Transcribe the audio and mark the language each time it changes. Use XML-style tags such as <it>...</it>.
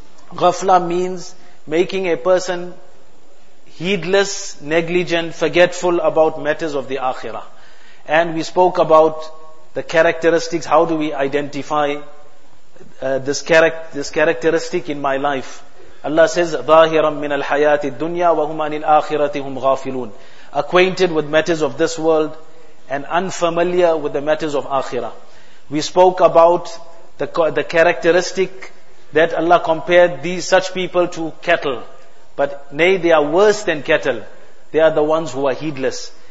<en>Ghafla means making a person heedless, negligent, forgetful about matters of the Akhirah. And we spoke about the characteristics. How do we identify this characteristic in my life? Allah says,</en> <ar>ظَاهِرًا مِّنَ الْحَيَاةِ الدُّنْيَا وَهُمْ عَنِ الْآخِرَةِ هُمْ غَافِلُونَ.</ar> <en>Acquainted with matters of this world and unfamiliar with the matters of Akhirah. We spoke about the characteristic that Allah compared these such people to cattle. But nay, they are worse than cattle. They are the ones who are heedless.</en>